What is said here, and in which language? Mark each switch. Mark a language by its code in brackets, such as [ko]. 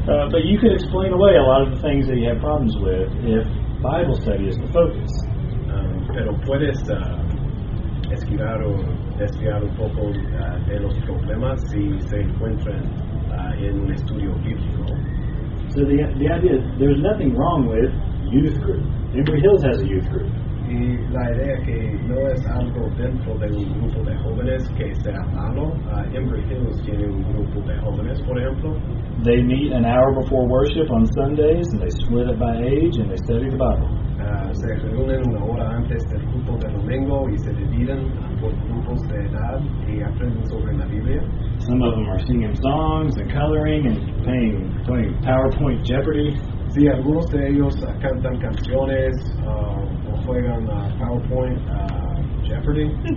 [en] But you could explain away a lot of the things that you have problems with if Bible study is the focus. [es] Pero puedes esquivar o desviar un poco de los problemas si se encuentran en un estudio bíblico. [en] So the idea is there's nothing wrong with youth group. Embry Hills has a youth group. [es] Y la idea que no es algo dentro de un grupo de jóvenes que sea malo. Embry Hills tiene un grupo de jóvenes, por ejemplo. [en] They meet an hour before worship on Sundays and they split it by age and they study the Bible. [es] Se reúnen una hora antes del culto de domingo y se dividen por grupos de edad y aprenden sobre la Biblia. [en] Some of them are singing songs and coloring and playing PowerPoint Jeopardy. [es] Sí, algunos de ellos cantan canciones o juegan PowerPoint Jeopardy.